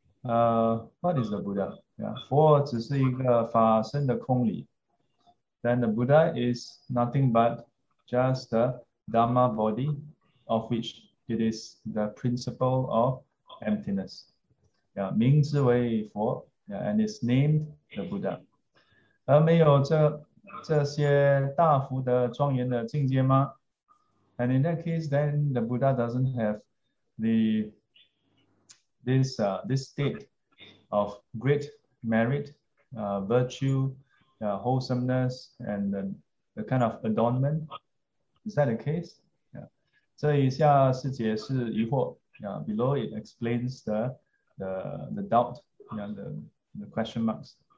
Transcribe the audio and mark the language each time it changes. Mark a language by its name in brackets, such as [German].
[English] What is the Buddha? Yeah, [Chinese] 佛只是一个法身的空理. [English] Then the Buddha is nothing but just the Dhamma body, of which it is the principle of emptiness. Yeah, [Chinese] 名字为佛, [English] yeah, and it's named the Buddha. [Chinese] 而没有这些大幅的庄严的境界吗? [English] And in that case, then the Buddha doesn't have this state of great merit, virtue, wholesomeness, and the kind of adornment. Is that the case? Yeah. [Chinese] 这一下是解释疑惑, [English] yeah, below it explains the doubt, yeah, the question marks.